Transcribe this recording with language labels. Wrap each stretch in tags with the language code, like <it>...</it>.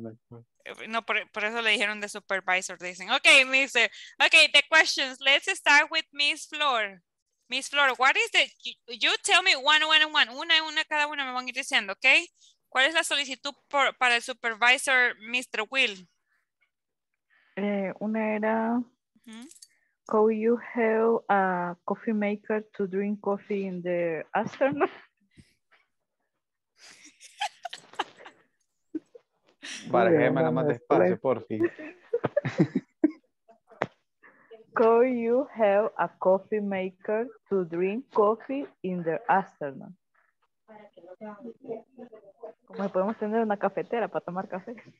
<es>No, por eso le dijeron de supervisor, dicen. Ok, mister.</es> <en>Ok, the questions. Let's start with Miss Flor. Miss Flor, what is the, you tell me one,</en> <es>una y una cada una me van a ir diciendo, ¿ok? ¿Cuál es la solicitud para el supervisor, Mr. Will? Una era,</es> <en>could you help a coffee maker to drink coffee in the afternoon?</en> <es>Para que me haga más despacio, por fin.</es> <en>Could you have a coffee maker to drink coffee in the afternoon?</en> <es>¿Cómo podemos tener una cafetera para tomar café?</es>